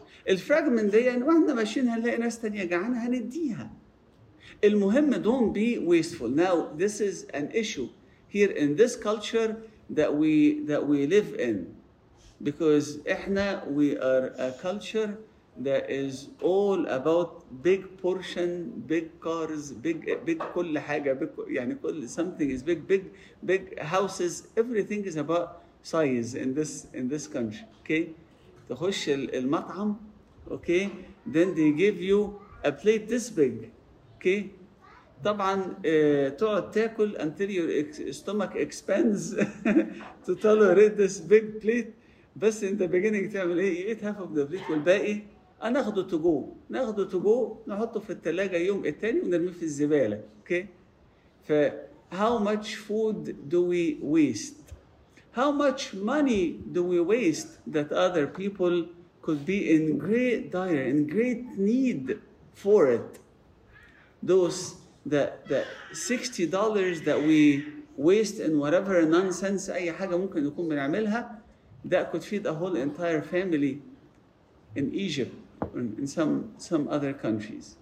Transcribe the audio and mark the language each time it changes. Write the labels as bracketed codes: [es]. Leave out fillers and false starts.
[ar] الفراجمنت دي واحنا ماشيين هنلاقي ناس ثانيه جعانه هنديها. [en] المهم don't be wasteful. Now this is an issue here in this culture that we live in. Because إحنا, we are a culture that is all about big portion, big cars, big [ar] كل حاجة, [en] big, [ar] يعني كل [en] something is big houses, everything is about size in this country. Okay, [ar] تخش المطعم, [en] okay, then they give you a plate this big. Okay, [ar] طبعا تقعد تاكل [en] until your stomach expands to tolerate this big plate. [ar] بس [en] in the beginning [ar] تعمل ايه, [en] you eat half of the plate [ar] والباقي ناخده تو جو نحطه في الثلاجه يوم الثاني ونرميه في الزباله. اوكي, ف [en] how much food do we waste, how much money do we waste that other people could be in great dire and great need for it, those that $60 that we waste in whatever nonsense, [ar] اي حاجه ممكن نكون بنعملها, [en] that could feed a whole entire family in Egypt, in some other countries.